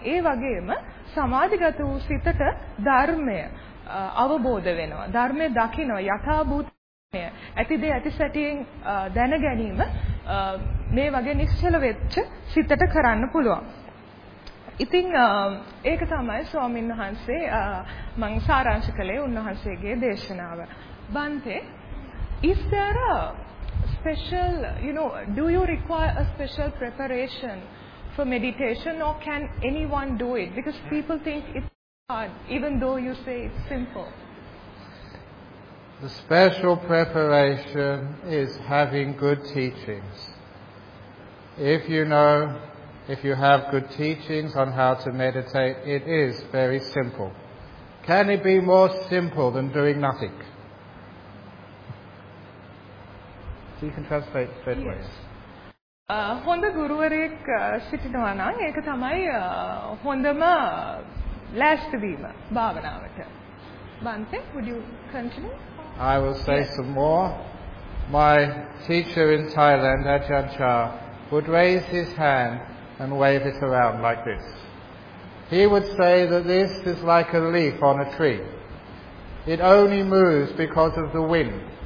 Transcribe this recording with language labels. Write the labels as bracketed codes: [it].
[si] ඒ වගේම සමාධිගත වූ සිතට ධර්මය අවබෝධ වෙනවා, ධර්මය දකින්න යථාභූත ඇතිදේ ඇති සැටියෙන් දැන ගැනීම මේ වගේ නිශ්චල වෙච්ච සිතට කරන්න පුළුවන්. ඉතින් ඒක තමයි ස්වාමීන් වහන්සේ මං සාරාංශ කළේ උන්වහන්සේගේ දේශනාව. [en] බන්තේ, is there a special, you know, do you require a special preparation for meditation or can anyone do it? Because people think it's hard even though you say it's simple. The special preparation is having good teachings. If you know, if you have good teachings on how to meditate, it is very simple. Can it be more simple than doing nothing? So you can translate both ways. [si] හොඳ ගුරුවරයෙක් සිටිනවා නම් ඒක තමයි හොඳම ලෑස්තිවීම භාවනාවට. [en] බන්තේ, would you continue? I will say some more. My teacher in Thailand, Ajahn Chah, would raise his hand and wave it around like this. He would say that this is like a leaf on a tree. It only moves because of the wind.